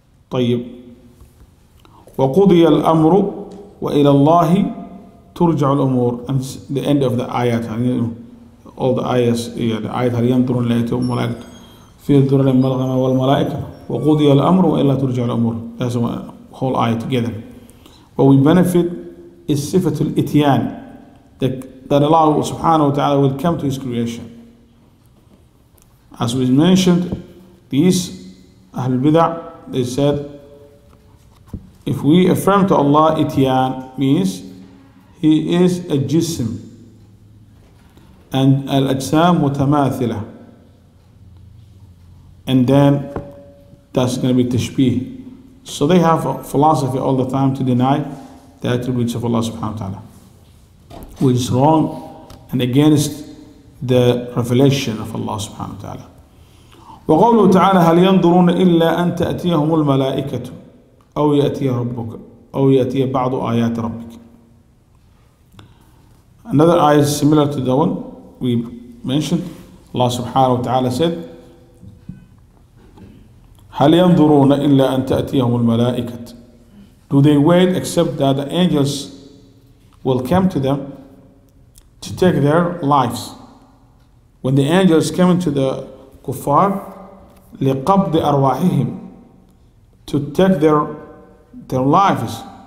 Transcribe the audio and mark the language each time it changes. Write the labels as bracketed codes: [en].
[ar] طيب وقضي الأمر وإلى الله ترجع الأمور. [en] And the end of the ayat, [ar] all the ayats, yeah, the ayat هل ينظرون إلا أن الملائكة في ظلل من الغمام والملائكة وقضي الأمر وإلى ترجع الأمور. [en] That's the whole ayat together. What we benefit is [ar] صفة الإتيان, [en] that Allah سبحانه وتعالى will come to his creation. As we mentioned, these Ahl Bid'ah, they said, if we affirm to Allah, ityan means he is a jism. And al-ajsam mutamathila. And then that's going to be tashbih. So they have a philosophy all the time to deny the attributes of Allah subhanahu wa ta'ala. Which is wrong and against the revelation of Allah subhanahu wa ta'ala. [ar] وَقَوْلُهُ تَعَالَى هَلْ يَنْظُرُونَ إِلَّا أَنْ تَأْتِيَهُمُ الْمَلَائِكَةُ أَوْ يَأْتِيَ رَبُّكَ أَوْ يَأْتِيَ بَعْضُ آيَاتِ رَبِّكَ. [en] Another ayah is similar to the one we mentioned. Allah subhanahu wa ta'ala said, [ar] هَلْ يَنْظُرُونَ إِلَّا أَنْ تَأْتِيَهُمُ الْمَلَائِكَةُ. [en] Do they wait except that the angels will come to them to take their lives? When the angels came into the kuffar, [ar] لِقَبْضِ أَرْوَاحِهِمْ, [en] to take their lives.